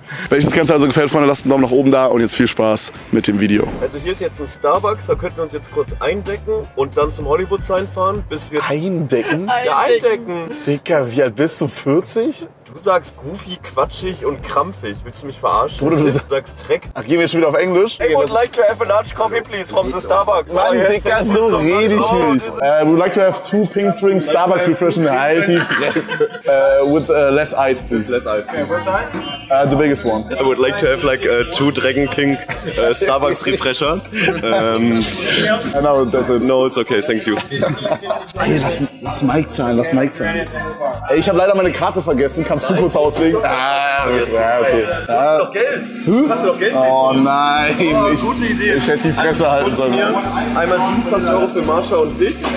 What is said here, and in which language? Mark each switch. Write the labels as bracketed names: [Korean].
[German] Wenn euch das Ganze also gefällt, Freunde, lasst einen Daumen nach oben da und jetzt viel Spaß mit dem Video. Also hier ist jetzt ein Starbucks, da könnten wir uns jetzt kurz eindecken und dann zum Hollywood-Sign fahren, bis wir... Eindecken? Ja, eindecken. Dicker, wie alt bist du, 40? Du sagst goofy, quatschig und krampfig. Willst du mich verarschen? Bruder, du sagst Dreck. Ach, gehen wir schon wieder auf Englisch? [English] Hey, would like to have a large coffee, please, from the Starbucks. [German] Mann, oh, Dicker, so rede ich nicht. [English] Would like to have two pink drinks, Starbucks refreshing, [German] halt die Fresse. [English] With less ice, please. Less ice. Okay, which ice? The biggest one. I would like to have like two Dragon Pink Starbucks refresher. No, that's it. No, it's okay, thanks you. [German] Ey, lass Mike zahlen, lass Mike zahlen. Ey, ich habe leider meine Karte vergessen. Kannst du kurz auslegen? Hast du noch Geld? Oh nein. Oh, gute Idee. Ich hätte die Fresse halten sollen. Einmal 27 Euro für Marsha und dich.